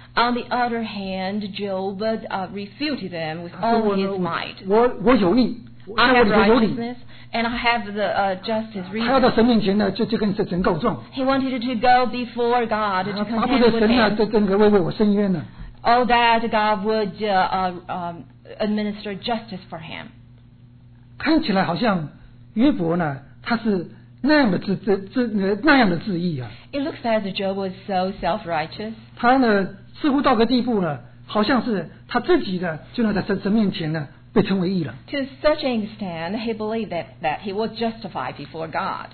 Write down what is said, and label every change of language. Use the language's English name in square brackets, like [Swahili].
[English] On the other hand, Job refuted them with all his might. [Chinese] 我有意。 [English] I have righteousness and I have the justice reason. [Chinese] 他要到神面前呢，就跟神告状。 [English] He wanted to go before God to contend with him. [Chinese] 巴不得神啊，这个为我伸冤呢。 [English] Oh, that God would administer justice for him. [Chinese] 看起来好像约伯呢，他是那样的自义啊。 [English] It looks as if Job was so self-righteous. [Chinese] 他呢，似乎到个地步呢，好像是他自己的就能在神面前呢。 [English] To such an extent, he believed that he was justified before God.